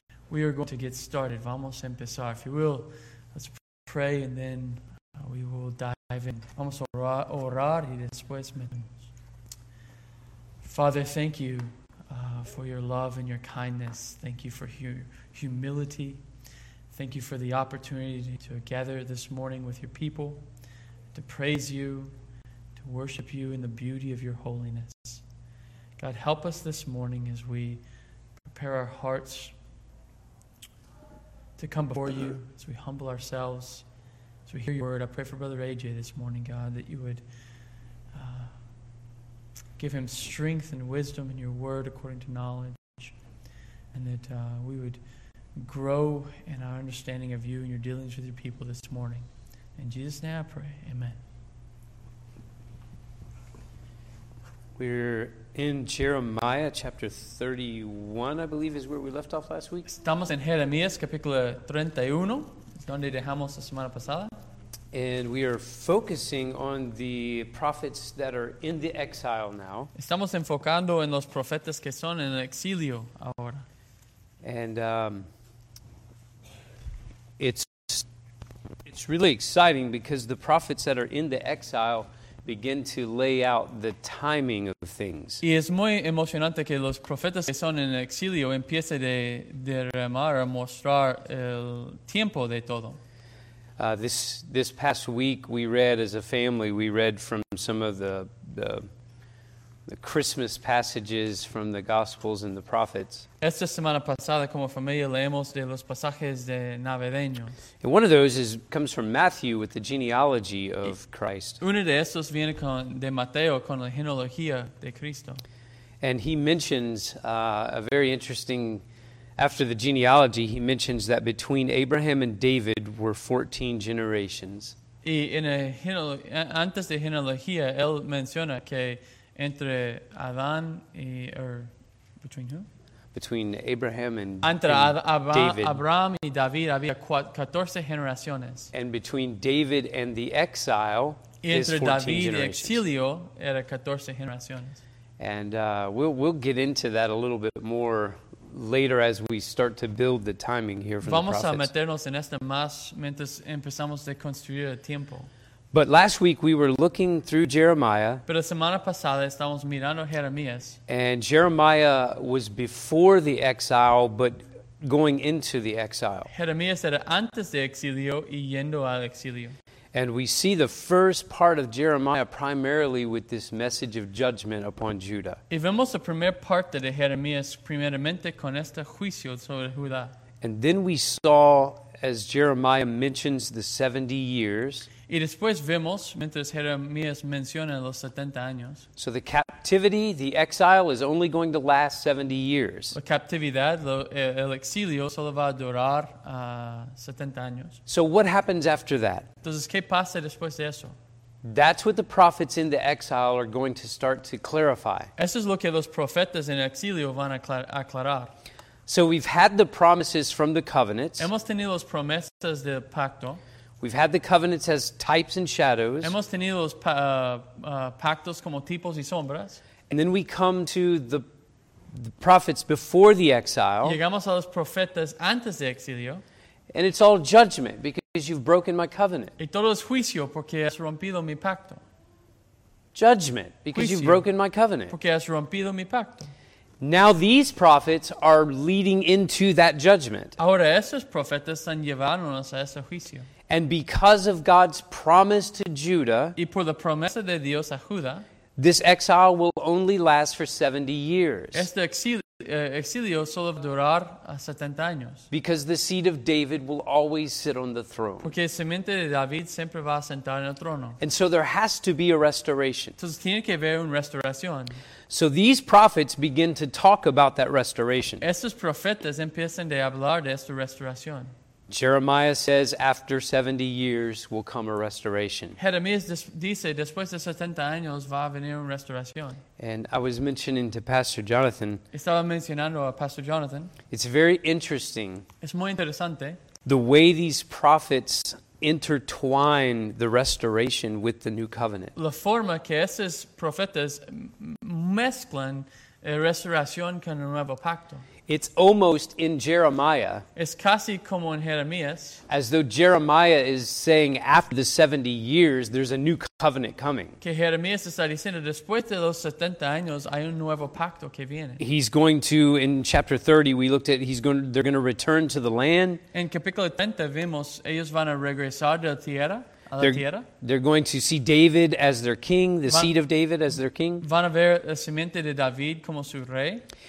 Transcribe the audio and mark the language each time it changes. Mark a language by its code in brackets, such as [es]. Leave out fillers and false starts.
[en] We are going to get started. [es] Vamos a empezar. [en] If you will, let's pray and then we will dive in. [es] Vamos a orar y después meternos. [en] Father, thank you for your love and your kindness. Thank you for your humility. Thank you for the opportunity to gather this morning with your people, to praise you, to worship you in the beauty of your holiness. God, help us this morning as we prepare our hearts to come before you, as we humble ourselves, as we hear your word. I pray for Brother AJ this morning, God, that you would give him strength and wisdom in your word according to knowledge, and that we would grow in our understanding of you and your dealings with your people this morning. In Jesus' name I pray, amen. We're in Jeremiah chapter 31, I believe, is where we left off last week. [es] Estamos en Jeremías capítulo 31, donde dejamos la semana pasada. [en] And we are focusing on the prophets that are in the exile now. [es] Estamos enfocando en los profetas que son en el exilio ahora. [en] And it's really exciting because the prophets that are in the exile begin to lay out the timing of things. [es] Y es muy emocionante que los profetas que son en exilio empiecen de remar a mostrar el tiempo de todo. [en] This past week we read as a family, we read from some of the Christmas passages from the Gospels and the prophets. [es] Esta semana pasada como familia leemos de los pasajes de navideños. [en] And one of those comes from Matthew with the genealogy of Christ. [es] Uno de estos viene de Mateo con la genealogía de Cristo. [en] And he mentions a very interesting, after the genealogy, he mentions that between Abraham and David were 14 generations. [es] Y en antes de genealogía, él menciona que entre Adán y [en] between who? Between Abraham and [es] entre [en] David. [es] Abraham y David había 14 generaciones. [en] And between David and the exile [es] y entre [en] is 14 [es] David [en] generations. [es] Y exilio era 14 generaciones. [en] And we'll get into that a little bit more later as we start to build the timing here for [es] Vamos [en] the prophets. [es] Vamos a meternos en esto más mientras empezamos a construir el tiempo. [en] But last week we were looking through Jeremiah. [es] Pero semana pasada estábamos mirando Jeremías. [en] And Jeremiah was before the exile, but going into the exile. [es] Jeremías era antes de exilio y yendo al exilio. [en] And we see the first part of Jeremiah primarily with this message of judgment upon Judah. [es] Y vemos la primera parte de Jeremías primeramente con este juicio sobre Judá. [en] And then we saw, as Jeremiah mentions, the 70 years. [es] Y después vemos, mientras Jeremías menciona los 70 años. [en] So the captivity, the exile, is only going to last 70 years. [es] La captividad, el exilio, solo va a durar 70 años. [en] So what happens after that? [es] Entonces, ¿qué pasa después de eso? [en] That's what the prophets in the exile are going to start to clarify. [es] Eso es lo que los profetas en el exilio van a aclarar. [en] So we've had the promises from the covenants. [es] Hemos tenido las promesas del pacto. [en] We've had the covenants as types and shadows. [es] Hemos tenido los pactos como tipos y sombras. [en] And then we come to the prophets before the exile. [es] Llegamos a los profetas antes de exilio. [en] And it's all judgment because you've broken my covenant. [es] Y todo es juicio porque has rompido mi pacto. [en] Judgment because [es] juicio [en] you've broken my covenant. [es] Porque has rompido mi pacto. [en] Now these prophets are leading into that judgment. [es] Ahora esos profetas están llevándonos a ese juicio. [en] And because of God's promise to Judah, [es] y por la promesa de Dios a Judá, [en] this exile will only last for 70 years. [es] Este exilio solo va a durar 70 años. [en] Because the seed of David will always sit on the throne. [es] Porque la simiente de David siempre va a sentar en el trono. [en] And so there has to be a restoration. [es] Entonces tiene que haber una restauración. [en] So these prophets begin to talk about that restoration. [es] Estos profetas empiezan a hablar de esta restauración. [en] Jeremiah says, after 70 years will come a restoration. [es] Jeremías dice, después de 70 años va a venir una restauración. [en] And I was mentioning to Pastor Jonathan. [es] Estaba mencionando a Pastor Jonathan. [en] It's very interesting. [es] Es muy interesante. [en] The way these prophets intertwine the restoration with the new covenant. [es] La forma que esos profetas mezclan resurrección con el nuevo pacto. [en] It's almost in Jeremiah. [es] Es casi como en Jeremías. [en] As though Jeremiah is saying after the 70 years, there's a new covenant coming. [es] Que Jeremías está diciendo después de los 70 años, hay un nuevo pacto que viene. [en] He's going to, in chapter 30, we looked at, they're going to return to the land. [es] En capítulo 30 vimos, ellos van a regresar de la tierra. [en] They're going to see David as their king, seed of David as their king. [es] Van a ver la simiente de David como su rey.